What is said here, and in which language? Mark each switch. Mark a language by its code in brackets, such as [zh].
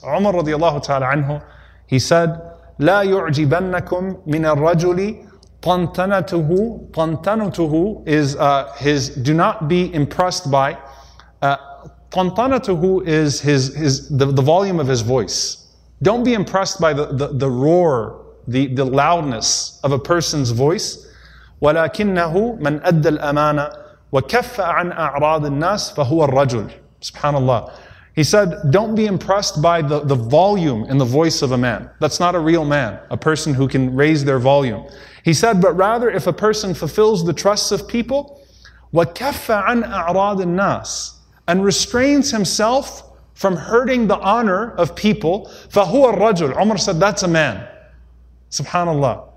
[en] Umar radiallahu ta'ala anhu, he said, [ar] لا يعجبنكم من الرجل طنطنته. [en] طنطنته is his, do not be impressed by. طنطنته is his the volume of his voice. Don't be impressed by the roar, the loudness of a person's voice. [ar] ولكنه من أدى الأمانة وَكَفَّ عَنْ أَعْرَاضِ النَّاسِ فَهُوَ الرَّجُلِ. [en] SubhanAllah. He said, don't be impressed by the volume in the voice of a man. That's not a real man, a person who can raise their volume. He said, but rather if a person fulfills the trusts of people, [ar] وَكَفَّ عَنْ أَعْرَاضِ النَّاسِ, [en] and restrains himself from hurting the honor of people, [ar] فَهُوَ الرَّجُلِ. [en] Umar said, that's a man. SubhanAllah.